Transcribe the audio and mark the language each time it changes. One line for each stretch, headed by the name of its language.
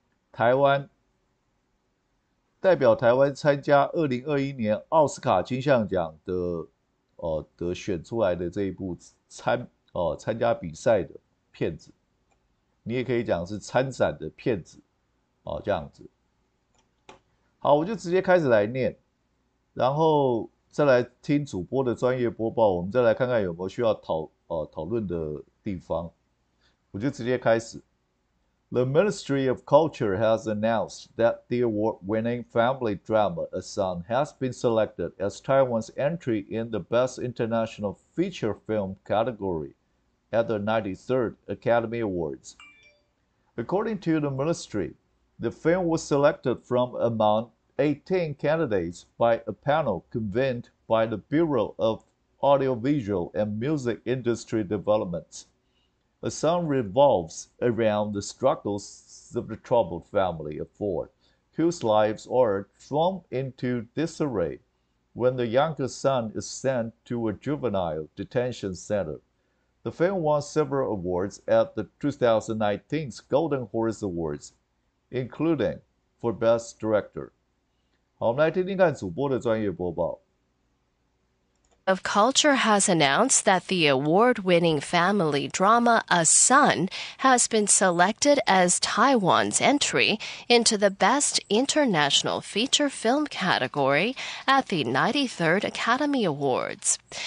Chinese: 台湾代表台湾参加2021年奥斯卡金像奖的选出来的这一部参加比赛的片子，你也可以讲是参展的片子这样子。好，我就直接开始来念，然后再来听主播的专业播报，我们再来看看有没有需要讨论的地方。我就直接开始。
English: The Ministry of Culture has announced that the award-winning family drama Asan has been selected as Taiwan's entry in the Best International Feature Film category at the 93rd Academy Awards. According to the ministry, the film was selected from among 18 candidates by a panel convened by the Bureau of Audiovisual and Music Industry Developments. The song revolves around the struggles of the troubled family of four, whose lives are thrown into disarray when the youngest son is sent to a juvenile detention center. The film won several awards at the 2019 Golden Horse Awards, including for Best Director.
Chinese: 好，我们来听听看主播的专业播报。
English: Of Culture has announced that the award-winning family drama A Son has been selected as Taiwan's entry into the Best International Feature Film category at the 93rd Academy Awards.